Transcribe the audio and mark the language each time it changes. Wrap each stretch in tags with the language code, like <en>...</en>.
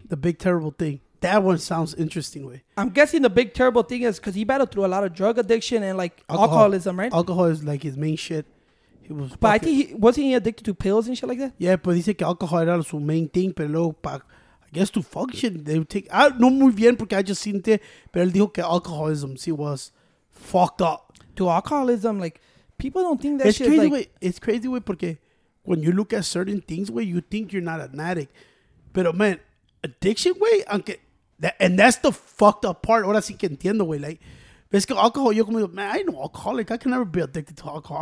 <en>The Big Terrible Thing. That one sounds interesting. I'm guessing the big terrible thing is because he battled through a lot of drug addiction and like alcoholism, right? Alcohol is like his main shit. He was but fucking, I think, wasn't he addicted to pills and shit like that? Yeah, but he said alcohol era su main thing,</en> <es>pero luego</es> <en>I guess to function, they would take...</en> <es>No muy bien, porque</es> <en>I just seen it,</en> <es>pero él dijo que</es> <en>alcoholism, he was fucked up. To alcoholism, like, people don't think that shit like... It's crazy, wey, porque when you look at certain things, wey, you think you're not an addict. Pero, man, addiction, wey, aunque... And that's the fucked up part.</en> <es>Ahora sí que entiendo, güey.</es> <en>Like, basically, alcohol, yo como, man, I ain't no alcoholic. I can never be addicted to alcohol.</en>